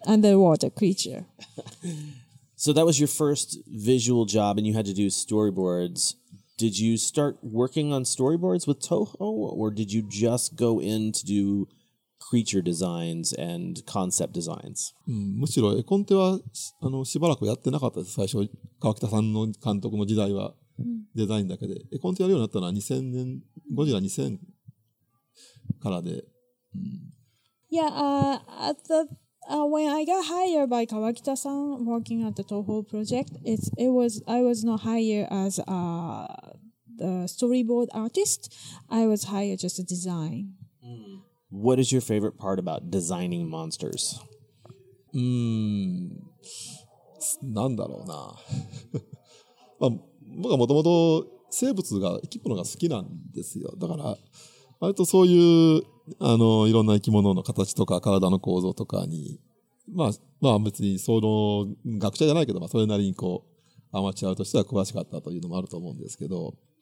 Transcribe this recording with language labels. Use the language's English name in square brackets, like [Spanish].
[English] Underwater creature. So that was your first visual job, and you had to do storyboards. Did you start working on storyboards with Toho, or did you just go in to do creature designs and concept designs? [Japanese] むしろ絵コンテはしばらくやってなかったです。最初、川北さんの監督の時代はデザインだけで。絵コンテやるようになったのは2000年、ゴジラ2000からで。 [English] Yeah, at the When I got hired by Kawakita-san working at the Toho project, I was not hired as the storyboard artist. I was hired just a design. What is your favorite part about designing monsters? [Japanese] なんだろうな。まあ、僕はもともと生物が生き物が好きなんですよ。だから割とそういうあのいろんな生き物の形とか体の構造とかに、まあまあ別にその学者じゃないけど、まあそれなりにこうアマチュアとしては詳しかったというのもあると思うんですけど、